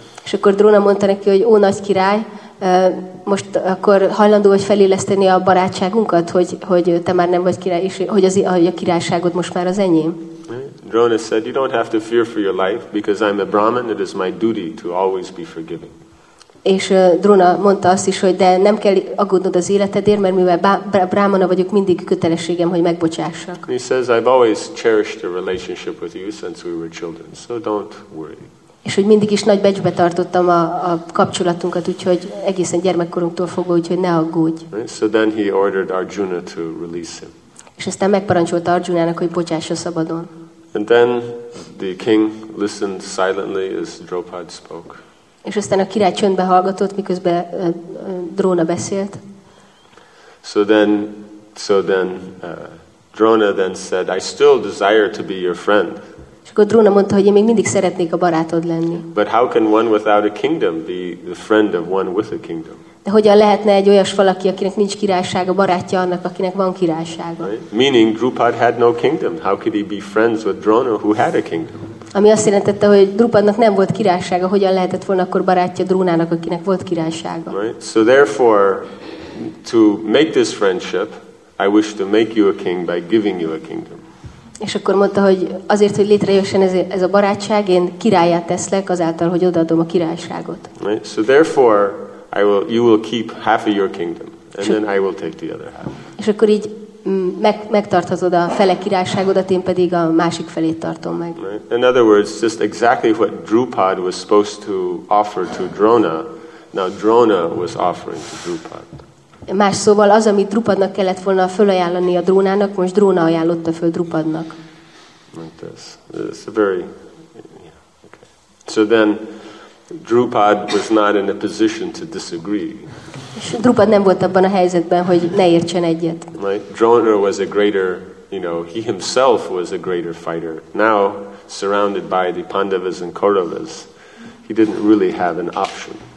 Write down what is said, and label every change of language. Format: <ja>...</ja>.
<hu>És akkor Dróna mondta neki, hogy ó nagy király, most akkor hajlandó vagy feléleszteni a barátságunkat, hogy te már nem vagy király, és hogy a királyságod most már az enyém.</hu> <en>Drona said, "You don't have to fear for your life, because I'm a Brahmin, it is my duty to always be forgiving."</en> <hu>És Drona mondta azt is, hogy de nem kell aggódnod az életedért, mert mivel brámana vagyok, mindig kötelességem, hogy megbocsássak.</hu> <en>He says, "I've always cherished a relationship with you since we were children, so don't worry."</en> <hu>És hogy mindig is nagy becsbe tartottam a kapcsolatunkat, úgyhogy egészen gyermekkorunktól fogva, úgyhogy ne aggódj.</hu> <en>So then he ordered Arjuna to release him.</en> <hu>És aztán megparancsolta Arjunának, hogy bocsássa szabadon.</hu> <en>And then the king listened silently as Draupad spoke.</en> <hu>És aztán a király csöndbe hallgatott, miközben Dróna beszélt.</hu> <en>So then So then Drona then said, I still desire to be your friend.</en> <hu>És akkor Drona mondta, hogy én még mindig szeretnék a barátod lenni.</hu> <en>But how can one without a kingdom be the friend of one with a kingdom?</en> <hu>De hogyan lehetne egy olyas valaki, akinek nincs királysága, barátja annak, akinek van királysága?</hu> <en>Right? Meaning Drupad had no kingdom. How could he be friends with Drona who had a kingdom?</en> <hu>Ami azt jelentette, hogy Drupadnak nem volt királysága, hogyan lehetett volna akkor barátja Drónának, akinek volt királysága?</hu> <en>Right? So therefore to make this friendship, I wish to make you a king by giving you a kingdom.</en> <hu>És akkor mondta, hogy azért, hogy létrejössen ez a barátság, én királyát teszlek azáltal, hogy odaadom a királyságot.</hu> <en>Right? So therefore you will keep half of your kingdom, and then I will take the other half.</en> <hu>És akkor így megtarthatod a fele királyságodat, én pedig a másik felét tartom meg.</hu> <en>Right? In other words, just exactly what Drupad was supposed to offer to Drona, now Drona was offering to Drupad.</en> <hu>Más szóval az, amit Drupadnak kellett volna fölajánlani a Drónának, most Dróna ajánlotta föl Drupadnak.</hu> <en>Like this. It's a very... Yeah, okay. So then... Drupad was not in a position to disagree.</en> <hu>Drupad nem volt abban a helyzetben, hogy ne értsen egyet.</hu> <en>Right? Drona was a greater, you know, he himself was a greater fighter. Now, surrounded by the Pandavas and Kauravas, he didn't really have an option.</en>